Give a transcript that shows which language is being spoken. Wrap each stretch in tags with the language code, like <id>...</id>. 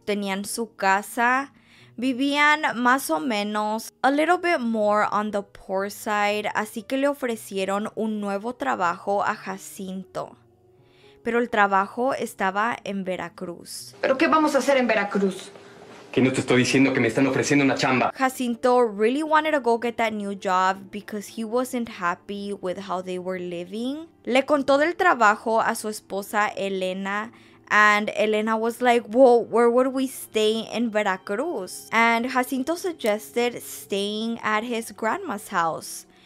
<es>Tenían su casa. Vivían más o menos</es> <en>a little bit more on the poor side,</en> <es>así que le ofrecieron un nuevo trabajo a Jacinto. Pero el trabajo estaba en Veracruz. ¿Pero qué vamos a hacer en Veracruz? ¿Qué no te estoy diciendo que me están ofreciendo una chamba?</es> <en>Jacinto really wanted to go get that new job because he wasn't happy with how they were living.</en> <es>Le contó del trabajo a su esposa Elena.</es> <en>And Elena was like, well, where would we stay in Veracruz? And Jacinto suggested staying at his grandma's house.</en>